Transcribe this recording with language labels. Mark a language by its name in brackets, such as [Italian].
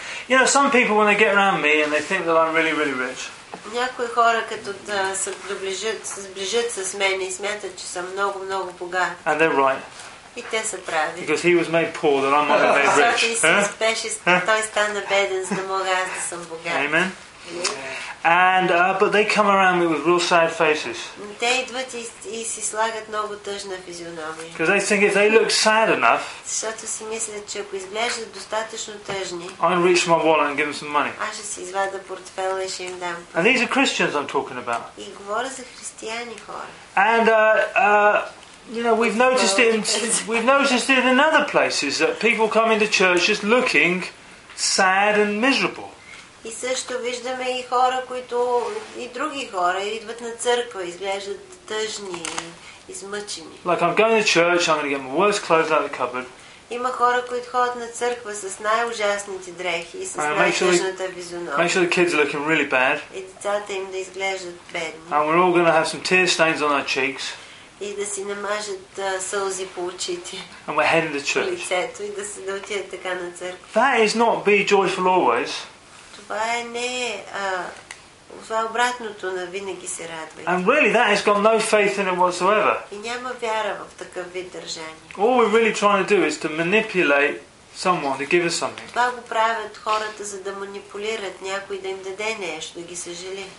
[English] You know, some people when they get around me and they think that I'm really, really rich. [Bulgarian] Някои хора като да се сближат с мен и смятат, че съм много, много богат. [English] And they're right. [Bulgarian] И те са прави. [English] Because he was made poor that I might be made rich. [Bulgarian] Защото Исус беше, той стана беден, за да мога аз да съм богат. [English] Amen. And but they come around me with real sad faces. [Bulgarian] Те идват и си слагат много тъжна физиономия. [English] Because they think if they look sad enough. [Bulgarian] Защото си мислят, че ако изглеждат достатъчно тъжни. [English] I'll reach my wallet and give them some money. [Bulgarian] Аз ще си извадя портфела и ще им дам. [English] And these are Christians I'm talking about. [Bulgarian] И говоря за християни хора. [English] And you know, we've noticed it in other places that people come into church just looking sad and miserable. [Bulgarian] И също виждаме и хора, които и други хора идват на църква, изглеждат тъжни и измъчени. [English] Like I'm going to church, I'm going to get my worst clothes out of the cupboard. [Bulgarian] Има хора, които ходят на църква с най-ужасните дрехи и с най-тъжната визуна. [English] Make sure the kids are looking really bad. [Bulgarian] И децата им да изглеждат бедни. [English] And we're all going to have some tear stains on our cheeks. [Bulgarian] И да си намажат сълзи по очите. [English] And we're heading to church. [Bulgarian] Лицето и да отидат така на църква. [English] That is not be joyful always. [Bulgarian] Това е не, това е обратното на винаги се радвайте. [English] And really, that has got no faith in it whatsoever. [Bulgarian] И няма вяра в такъв вид държание. [English] All we're really trying to do is to manipulate someone to give us something. [Bulgarian] Това го правят хората, за да манипулират някой да им даде нещо, да ги съжали.